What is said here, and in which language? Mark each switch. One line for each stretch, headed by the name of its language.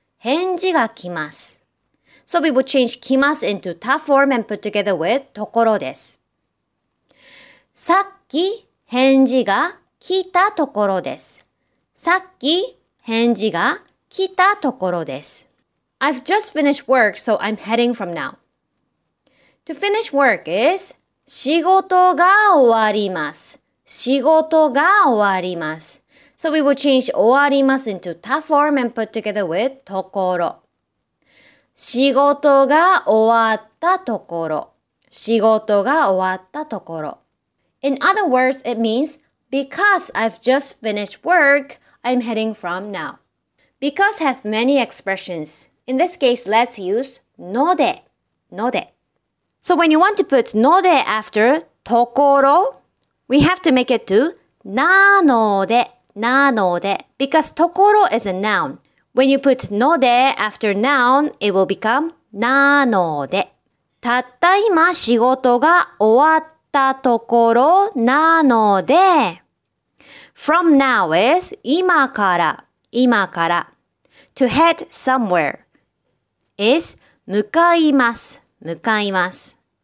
Japanese: 返事が来ます。
English: So we will change 来ます into た form and put together with ところです。
Japanese: さっき返事が来たところです。さっき返事が来たところです。
English: I've just finished work, so I'm heading from now. To finish work is 仕事が終わります。
Japanese: 仕事が終わります。
English: So we will change 終わります into た form and put together with ところ。
Japanese: 仕事が終わったところ。仕事が終わったところ。
English: In other words, it means because I've just finished work, I'm heading from now. Because have many expressions. In this case, let's use ので。ので。 So when you want to put ので after ところ、we have to make it to なので。なので、because ところ is a noun. When you put ので after noun, it will become なので。
Japanese: たった今仕事が終わったところなので。
English: From now is 今から、今から。 To head somewhere is 向かいます、向かいます。